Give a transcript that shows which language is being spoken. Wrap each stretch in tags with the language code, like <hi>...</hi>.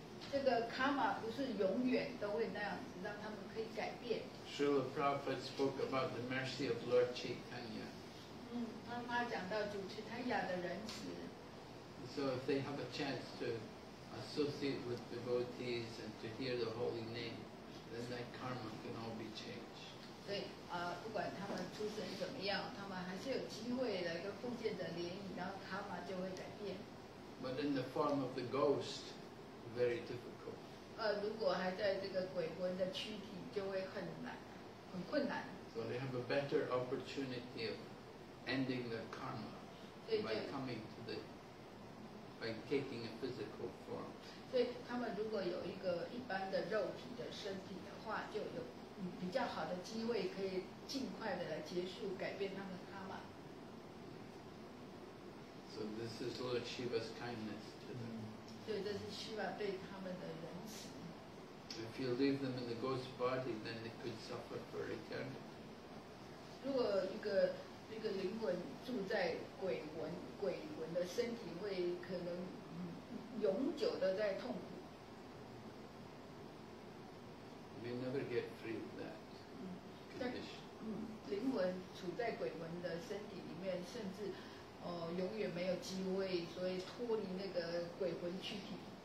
<zh>这个 karma 不是永远都会那样子，让他们可以改变。</zh> <en>Srila Prabhupada spoke about the mercy of Lord Chaitanya.</en> <zh>他讲到主 Chaitanya 的仁慈。</zh> <en>So if they have a chance to associate with devotees and to hear the holy name. Then that karma can all be changed.</en> <zh>对，不管他们出身怎么样，他们还是有机会来跟奉献者联谊，然后karma就会改变。</zh> <en>But in the form of the ghost, very difficult.</en> <zh>如果还在这个鬼魂的躯体，就会很困难。</zh> <en>So they have a better opportunity of ending their karma by coming to the by taking a physical form.</en> <zh>所以他们如果有一个一般的肉体的身体的话，就有比较好的机会可以尽快的来结束改变他们的karma。</zh> <en>So this is Lord Shiva's kindness to them.</en> <zh>所以这是 Shiva 对他们的仁慈。</zh> <en>If you leave them in the ghost body, then they could suffer for eternity.</en> <zh>如果一个那个灵魂住在鬼魂，鬼魂的身体会可能永久的在痛苦。</zh> <en>We never get free of that.</en> <zh>灵魂处在鬼魂的身体里面，甚至永远没有机会，所以脱离那个鬼魂躯体。</zh>